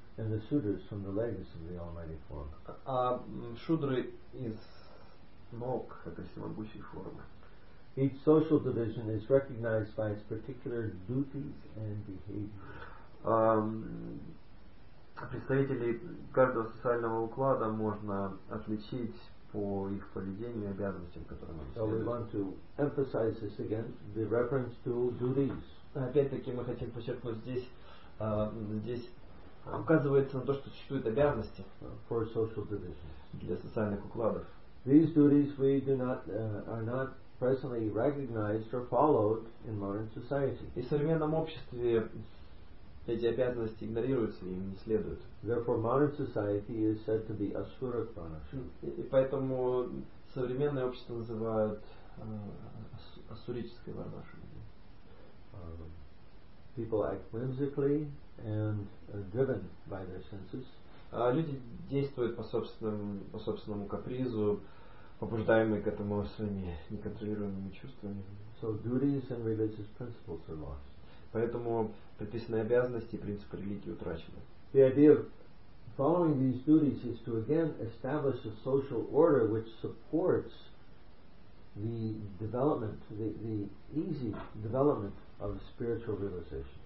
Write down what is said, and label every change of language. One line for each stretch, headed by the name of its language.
English: And the shudras from the legs of the Almighty Form.
Russian: Шудры из ног этой всемогущей формы.
English: Each social division is recognized by its particular duties and behaviors.
Russian: Представителей каждого социального уклада можно отличить по их поведению и обязанностям, которые они следуют.
English: So we want to emphasize this again, the reference to duties.
Russian: Опять-таки мы хотим подчеркнуть здесь указывается на то, что существуют обязанности
English: for social division.
Russian: Для социальных укладов.
English: These duties we do not are not presently recognized or followed in modern society.
Russian: И в современном обществе эти обязанности игнорируются и им не следуют.
English: Therefore, modern society is said to be asura prana.
Russian: И поэтому современное общество называют асурической варнашрамой.
English: People act whimsically and driven by their senses.
Russian: Люди действуют по собственному капризу, побуждаемые к этому своими неконтролируемыми чувствами.
English: So duties and religious principles are lost.
Russian: Поэтому предписанные обязанности и принципы религии утрачены.
English: The idea of following these duties is to again establish a social order which supports the development, the easy development of spiritual realization.